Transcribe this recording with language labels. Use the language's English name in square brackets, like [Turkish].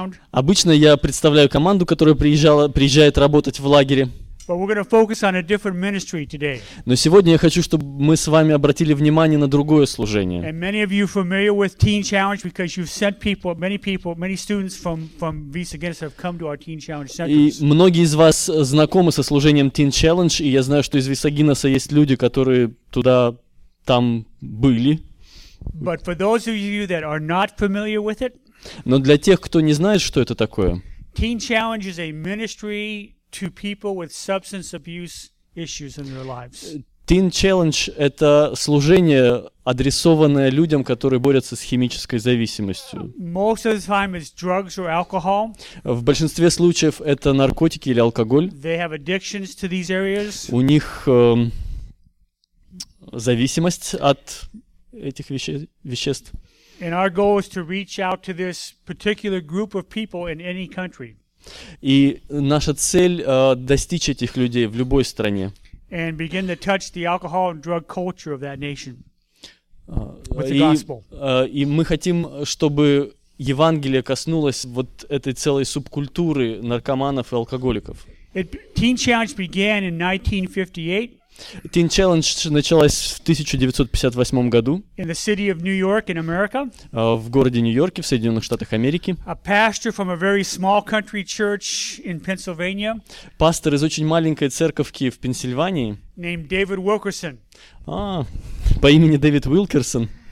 [Russian] Обычно я представляю команду, которая приезжает работать в лагере. [English] But we're going to focus on a different ministry today. [Russian] Но сегодня я хочу, чтобы мы с вами обратили внимание на другое служение. [English] And many of you are familiar with Teen Challenge because you've sent people, many students from Visa Guinness have come to our Teen Challenge centers. [Russian] И многие из вас знакомы со служением Teen Challenge, и я знаю, что из Visa Guinness есть люди, которые туда там были. [English] But for those of you that are not familiar with it. [Russian] Но для тех, кто не знает, что это такое. [English] Teen Challenge is a ministry to people with substance abuse issues in their lives. [Russian] Teen Challenge — это служение, адресованное людям, которые борются с химической зависимостью. [English] Most of the time it's drugs or alcohol. [Russian] В большинстве случаев это наркотики или алкоголь. [English] They have addictions to these areas. [Russian] У них зависимость от этих веществ. [English] And our goal is to reach out to this particular group of people in any country. [Russian] И наша цель достичь этих людей в любой стране. [English] And begin to touch the alcohol and drug culture of that nation with the gospel. [Russian] И мы хотим, чтобы Евангелие коснулось вот этой целой субкультуры наркоманов и алкоголиков. [English] Teen Challenge began in 1958. [Russian] Teen Challenge началась в 1958 году. [English] In the city of New York in America. [Russian] В городе Нью-Йорке в Соединенных Штатах Америки. [English] A pastor from a very small country church in Pennsylvania. [Russian] Пастор из очень маленькой церковки в Пенсильвании. [English] Named David Wilkerson. [Russian] По имени Дэвид Уилкерсон.